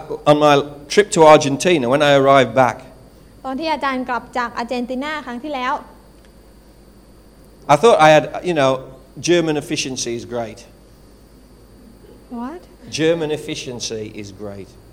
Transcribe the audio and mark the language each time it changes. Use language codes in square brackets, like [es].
[en] On my trip to Argentina, when I arrived back, [th] ตอนที่อาจารย์กลับจากอาร์เจนตินาครั้งที่แล้ว [en] I thought I had, you know, German efficiency is great. What? German efficiency is great.